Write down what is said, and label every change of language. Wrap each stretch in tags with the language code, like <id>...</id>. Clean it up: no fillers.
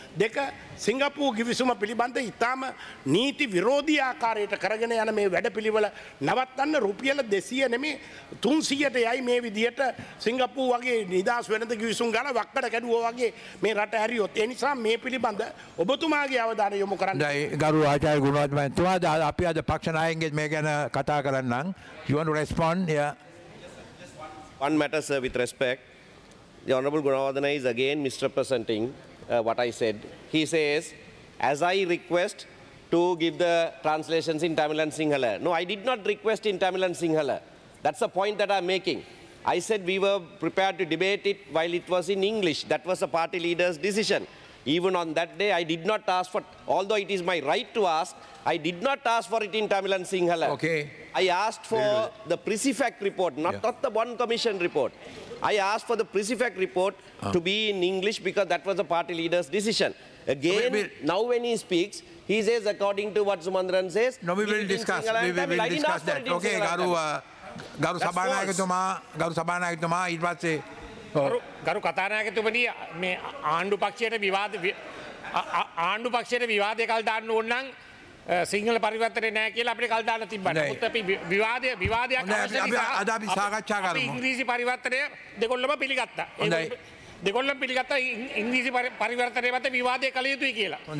<si>දෙක, සිංගප්පූරු ගිවිසුම පිළිබඳ ඉතාම නීති විරෝධී ආකාරයට කරගෙන යන මේ වැඩපිළිවෙල නවත්තන්න රුපියල 200 නෙමේ 300ට යයි මේ විදිහට සිංගප්පූරු වගේ නිදාස් වෙනද ගිවිසුම් ගන්න වක්කඩ කැඩුවා වගේ මේ රට හැරියොත්. ඒ නිසා මේ පිළිබඳ ඔබතුමාගේ අවධානය යොමු කරන්න. ගරු ආචාර්ය ගුණවත් මහත්මයා, අපි අද පක්ෂ නායකයන්ගේ මේ ගැන කතා කරන්නම්.</si> <en>You want to respond? Yeah. One matter, sir, with respect. The Honorable Gunawardena is again misrepresenting what I said. He says, as I request to give the translations in Tamil and Sinhala. No, I did not request in Tamil and Sinhala. That's the point that I'm making. I said we were prepared to debate it while it was in English. That was a party leader's decision. Even on that day, I did not ask for, although it is my right to ask, I did not ask for it in Tamil and Sinhala. Okay. I asked for the Prisifac report, not the Bond Commission report. I asked for the Prisifac report to be in English because that was the party leader's decision. Again, now when he speaks, he says according to what Sumandran says. No, we will discuss. We will discuss that. Okay, Garu Sabhanayakatuma, Garu Sabhanayakatuma, it was a...</en> <si>ගරු කතානායකතුමනි, මේ ආණ්ඩුපක්ෂයට විවාදේ කල් දාන්න ඕන නම් සිංහල පරිවර්තනේ නැහැ කියලා අපිට කල් දාන්න තිබ්බට. මුත් අපි විවාදයක් අද අපි සාකච්ඡා කරමු. ඉංග්‍රීසි පරිවර්තනය දෙකොල්ලම පිළිගත්තා. දෙකොල්ලම පිළිගත්තා ඉංග්‍රීසි පරිවර්තනය මත විවාදයක් කළ යුතුයි කියලා.</si>